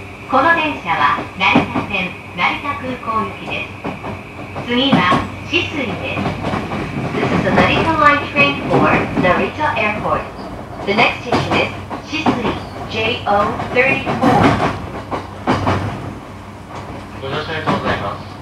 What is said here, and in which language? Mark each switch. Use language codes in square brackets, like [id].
[ja] この電車は成田線成田空港行きです。次は止水です。 [en] This is the Narita Line train for Narita Airport. The next station is 止水 JO34. [ja] ご乗車ありがとうございます。